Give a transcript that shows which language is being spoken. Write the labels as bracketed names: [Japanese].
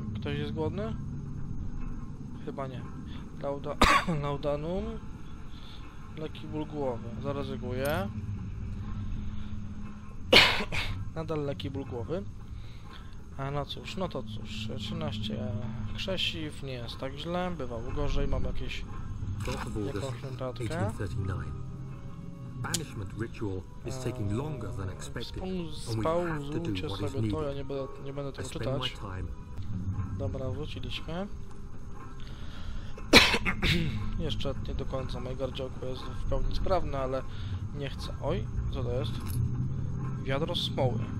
[Polish] Ktoś jest głodny? Chyba nie. Laudanum. Lekki ból głowy. Zaryzykuję. Nadal lekki ból głowy. A no cóż, no to cóż. 13 krzesiw, nie jest tak źle. Bywało gorzej, mam jakieś. Jakąś notatkę. [English] Banishment ritual is taking longer than expected. [Polish] Spauzujcie sobie to, ja nie będę tego czytać. Dobra, wróciliśmy. Jeszcze nie do końca. Moje gardziołko jest w pełni sprawne, ale nie chcę. Oj, co to jest? Wiadro smoły.